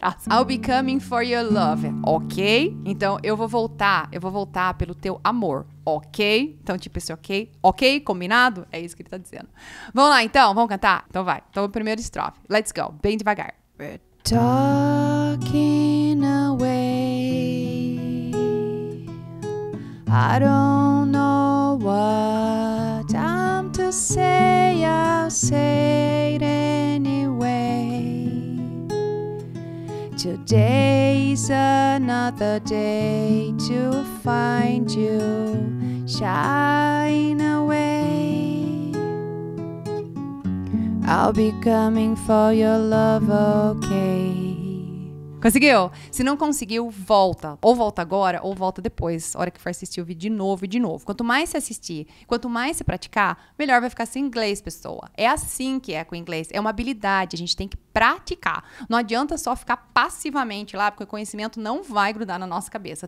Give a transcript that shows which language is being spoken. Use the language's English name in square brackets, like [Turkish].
[English] I'll be coming for your love, ok? [Portuguese] Então eu vou voltar pelo teu amor, ok? Então tipo esse ok, ok, combinado? É isso que ele tá dizendo. Vamos lá então, vamos cantar? Então vai, então a primeira estrofe, [English] let's go, [Portuguese] bem devagar. [English] We're talking away, I don't know what I'm to say, I'll say it anyway. Today's another day to find you, shine away. I'll be coming for your love, okay? [Portuguese] Conseguiu? Se não conseguiu, volta. Ou volta agora, ou volta depois, hora que for assistir o vídeo de novo e de novo. Quanto mais você assistir, quanto mais você praticar, melhor vai ficar seu inglês, pessoa. É assim que é com o inglês. É uma habilidade, a gente tem que praticar. Não adianta só ficar passivamente lá, porque o conhecimento não vai grudar na nossa cabeça.